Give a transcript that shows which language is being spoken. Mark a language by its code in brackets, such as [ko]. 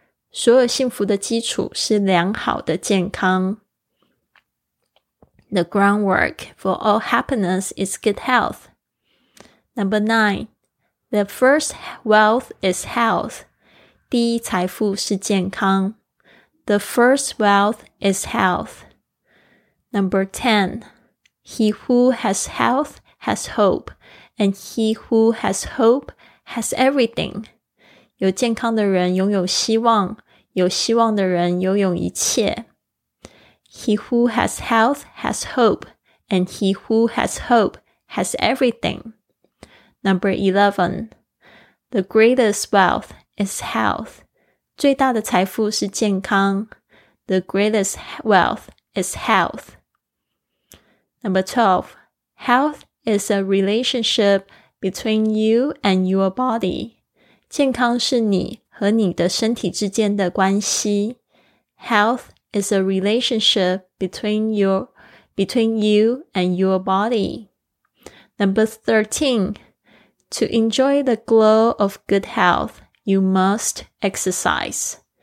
[zh] 所有幸福的基础是良好的健康。 [en] The groundwork for all happiness is good health. Number nine, the first wealth is health. [zh] 第一财富是健康。 [en] The first wealth is health. Number ten, he who has health has hope, and he who has hope has everything. [zh] 有健康的人拥有希望，有希望的人拥有一切。 [en] He who has health has hope, and he who has hope has everything. Number 11. The greatest wealth is health. [zh] 最大的财富是健康。 [en] The greatest wealth is health. Number 12. Health is a relationship between you and your body. [zh] 健康是你和你的身体之间的关系。 [en] Health is a relationship between you and your body. Number 13. To enjoy the glow of good health, you must exercise.